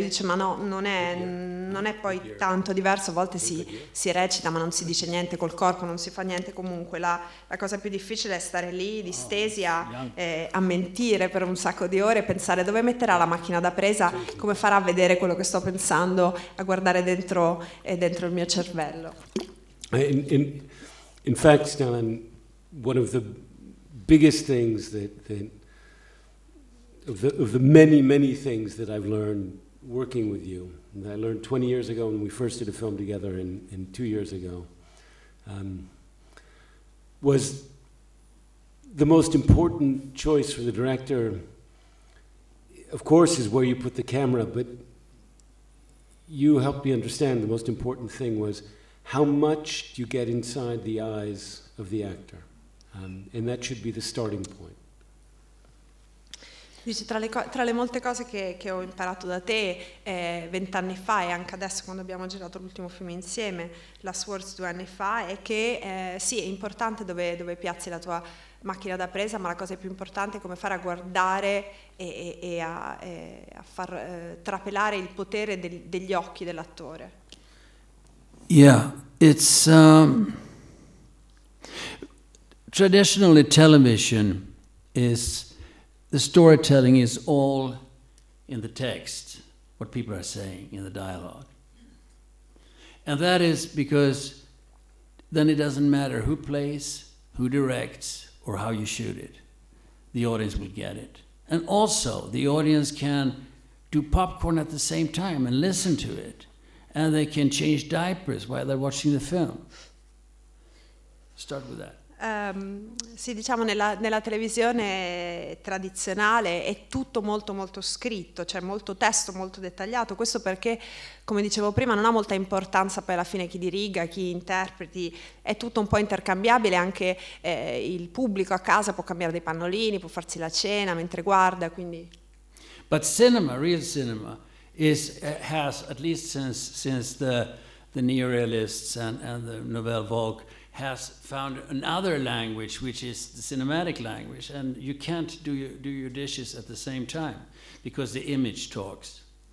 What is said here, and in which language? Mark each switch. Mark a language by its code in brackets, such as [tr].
[it] Lui dice, ma no, non è poi tanto diverso, a volte si recita ma non si dice niente col corpo, non si fa niente comunque. La cosa più difficile è stare lì distesi a mentire per un sacco di ore e pensare dove metterà la macchina da presa, come farà a vedere quello che sto pensando, a guardare dentro il mio cervello. [en] In fact, Stellan, one of the biggest things that of the many, many things that I've learned working with you, that I learned 20 years ago when we first did a film together and 2 years ago, was the most important choice for the director, of course, is where you put the camera, but you helped me understand the most important thing was how much do you get inside the eyes of the actor? And that should be the starting point. Dice, tra le molte cose che ho imparato da te 20 anni fa e anche adesso quando abbiamo girato l'ultimo film insieme, Last Words 2 anni fa, è che sì, è importante dove piazzi la tua macchina da presa, ma la cosa più importante è come fare a guardare e a far trapelare il potere degli occhi dell'attore. Yeah, it's traditionally television is... The storytelling is all in the text, what people are saying in the dialogue. And that is because then it doesn't matter who plays, who directs, or how you shoot it. The audience will get it. And also, the audience can do popcorn at the same time and listen to it. And they can change diapers while they're watching the film. Start with that. [it] Sì, diciamo, nella televisione tradizionale è tutto molto molto scritto, c'è molto testo, molto dettagliato. Questo perché, come dicevo prima, non ha molta importanza poi alla fine chi diriga, chi interpreti, è tutto un po' intercambiabile. Anche il pubblico a casa può cambiare dei pannolini, può farsi la cena mentre guarda, quindi. [en] But cinema, real cinema, has at least since the neorealists and the Nouvelle Vogue has found another language, which is the cinematic language, and you can't do your dishes at the same time because the image talks.